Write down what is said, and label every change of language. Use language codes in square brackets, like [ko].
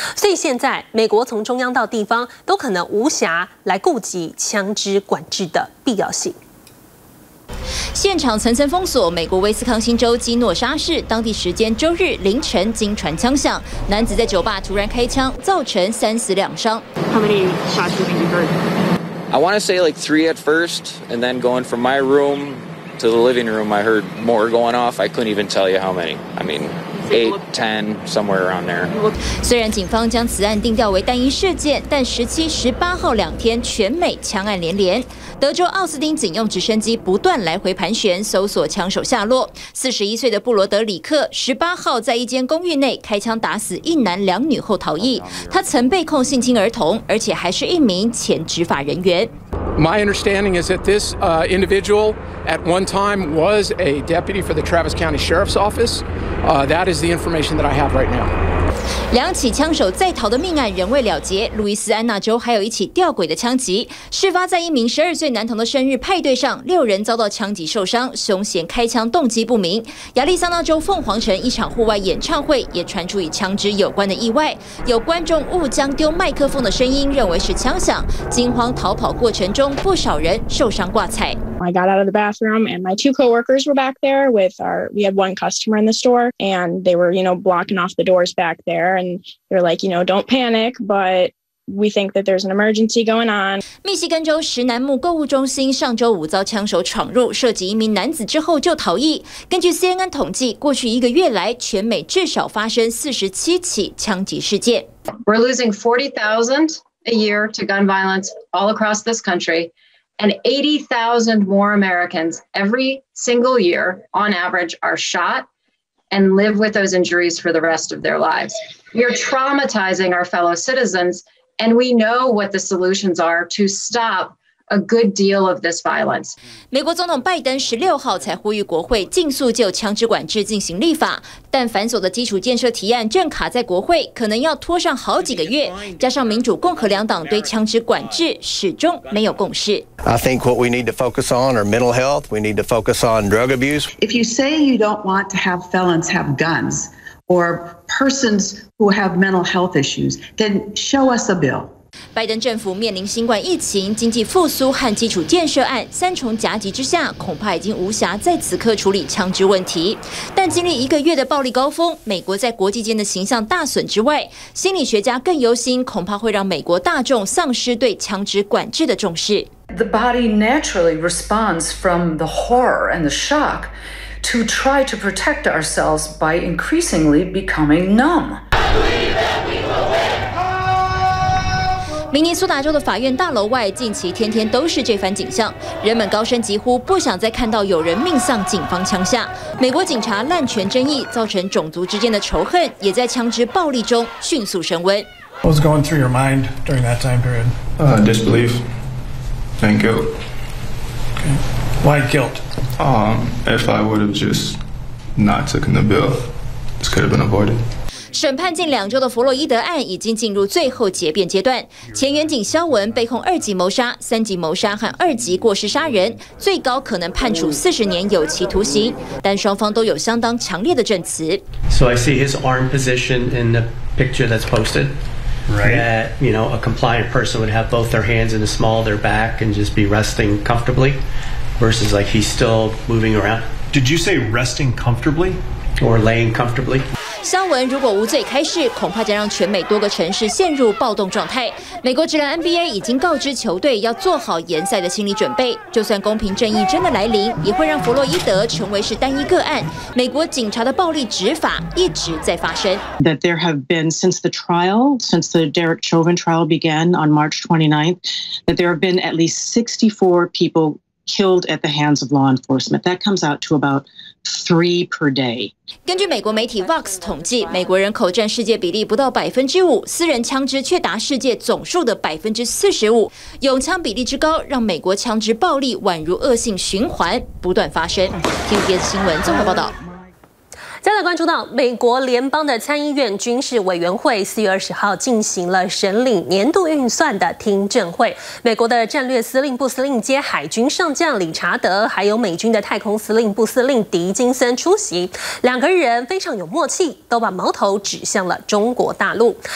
[zh] 所以现在美国从中央到地方都可能无暇来顾及枪支管制的必要性。现场层层封锁，美国威斯康星州基诺沙市当地时间周日凌晨惊传枪响，男子在酒吧突然开枪，造成3死2伤。 [en] How many shots did you hear? I want to say like 3 at first, and then going from my room to the living room, I heard more going off. I couldn't even tell you how many. I mean. 8, 10, somewhere around there. [zh] 虽然警方将此案定调为单一事件，但17、18号两天全美枪案连连。德州奥斯汀警用直升机不断来回盘旋，搜索枪手下落。 41岁的布罗德里克18号在一间公寓内开枪打死一男两女后逃逸。他曾被控性侵儿童，而且还是一名前执法人员。 [en] My understanding is that this individual at one time was a deputy for the Travis County Sheriff's Office. That is the information that I have right now. [zh] 两起枪手在逃的命案仍未了结，路易斯安那州还有一起吊诡的枪击，事发在一名12岁男童的生日派对上，六人遭到枪击受伤，凶嫌开枪动机不明。亚利桑那州凤凰城一场户外演唱会也传出与枪支有关的意外，有观众误将丢麦克风的声音认为是枪响，惊慌逃跑过程中不少人受伤挂彩。 [en] I got out of the bathroom and my 2 coworkers were back there with our. We had 1 customer in the store and they were, you know, blocking off the doors back there. And they're like, you know, don't panic, but. We think that there's an emergency going on. [zh] 密西根州石楠木购物中心上周五遭枪手闯入，涉及一名男子之后就逃逸。根据 CNN 统计，过去一个月来，全美至少发生47起枪击事件。 [en] We're losing 40,000 a year to gun violence all across this country, and 80,000 more Americans every single year, on average, are shot and live with those injuries for the rest of their lives. We're traumatizing our fellow citizens.And we know what the solutions are to stop a good deal of this violence. [zh] 美国总统拜登16号才呼吁国会尽速就枪支管制进行立法，但繁琐的基础建设提案正卡在国会，可能要拖上好几个月。加上民主共和两党对枪支管制始终没有共识。 [en] I think what we need to focus on are mental health. We need to focus on drug abuse. If you say you don't want to have felons have guns or persons who have mental health issues, then show us a bill. [zh] 拜登政府面临新冠疫情、经济复苏和基础建设案三重夹击之下，恐怕已经无暇在此刻处理枪支问题。但经历一个月的暴力高峰，美国在国际间的形象大损之外，心理学家更忧心，恐怕会让美国大众丧失对枪支管制的重视。 [en] The body naturally responds from the horror and the shock to try to protect ourselves by increasingly becoming numb. [zh] 明尼苏达州的法院大楼外近期天天都是这番景象，人们高声疾呼不想再看到有人命丧警方枪下。美国警察滥权争议造成种族之间的仇恨也在枪支暴力中迅速升温。 [en] What was going through your mind during that time period? Disbelief and guilt. Why guilt? If I would have just not taken the bill, this could have been avoided. [zh] 审判近两周的弗洛伊德案已经进入最后结辩阶段，前员警肖文被控二级谋杀、三级谋杀和二级过失杀人，最高可能判处40年有期徒刑，但双方都有相当强烈的证词。 [en] So I see his arm position in the picture that's posted. Right. That, you know, a compliant person would have both their hands in the small of their back and just be resting comfortably, versus like he's still moving around. Did you say resting comfortably? Or laying comfortably? [zh] 肖文如果无罪开释，恐怕将让全美多个城市陷入暴动状态。美国职篮 NBA 已经告知球队要做好延赛的心理准备，就算公平正义真的来临，也会让弗洛伊德成为是单一个案。美国警察的暴力执法一直在发生。 [en] That there have been since the trial, since the Derek Chauvin trial began on March 29th, that there have been at least 64 people killed at the hands of law enforcement. That comes out to about three per day. [zh] 根据美国媒体 Vox 统计，美国人口占世界比例不到5%，私人枪支却达世界总数的45%。拥枪比例之高，让美国枪支暴力宛如恶性循环，不断发生。 TVBS 新闻综合报道。再来关注到美国联邦的参议院军事委员会4月20号进行了审理年度预算的听证会，美国的战略司令部司令兼海军上将理查德，还有美军的太空司令部司令狄金森出席，两个人非常有默契，都把矛头指向了中国大陆。